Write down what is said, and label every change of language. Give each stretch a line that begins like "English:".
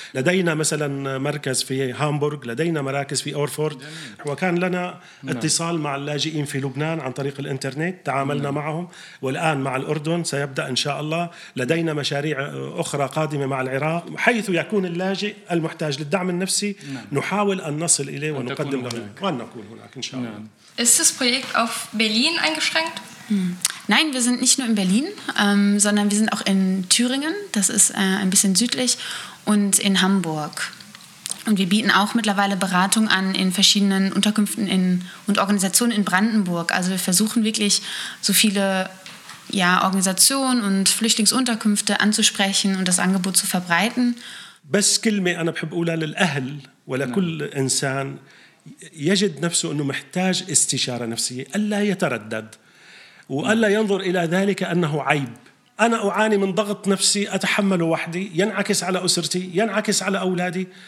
Arabic: لدينا مثلا مركز في هامبورغ، لدينا مراكز في أورفورد، وكان لنا اتصال مع اللاجئين في لبنان عن طريق الإنترنت، تعاملنا معهم، والآن مع الأردن سيبدأ إن شاء الله. لدينا مشاريع أخرى قادمة مع العراق. حيث يكون اللاجئ المحتاج للدعم النفسي نحاول أن نصل إليه ونقدم له، وأن نكون هناك إن شاء الله.
German: Ist das Projekt auf Berlin eingeschränkt? Nein, wir sind nicht nur in Berlin, sondern wir sind auch in Thüringen, das ist ein bisschen südlich, und in Hamburg. Und wir bieten auch mittlerweile Beratung an in verschiedenen Unterkünften und Organisationen in Brandenburg. Also wir versuchen wirklich, so viele Organisationen und Flüchtlingsunterkünfte anzusprechen und das Angebot zu verbreiten.
Arabic: بس كلمة أنا بحب أقولها للأهل ولكل إنسان يجد نفسه أنه محتاج استشارة نفسية، ألا يتردد وألا ينظر إلى ذلك أنه عيب. أنا أعاني من ضغط نفسي أتحمله وحدي، ينعكس على أسرتي، ينعكس على أولادي.